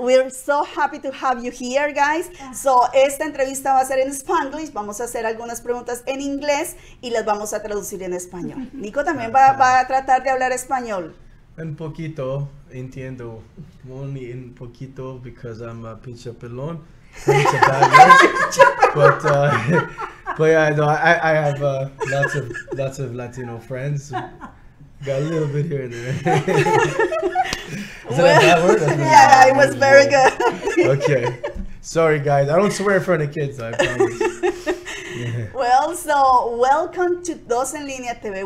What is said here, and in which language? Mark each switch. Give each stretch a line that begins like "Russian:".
English: We're so happy to have you here, guys.
Spanish: So, esta entrevista va a ser en Spanglish. Vamos a hacer algunas preguntas en inglés y las vamos a traducir en español. Niko también va a tratar de hablar español. Un poquito, entiendo. Only un poquito, because I'm a pinche pelón.
English: But, I have lots of Latino friends. Got a little bit here and there. Is that a bad word? Yeah, it was very good. Okay. Sorry, guys. I don't swear in front of kids, I promise. Yeah. Well, so welcome to Dos en Línea TV.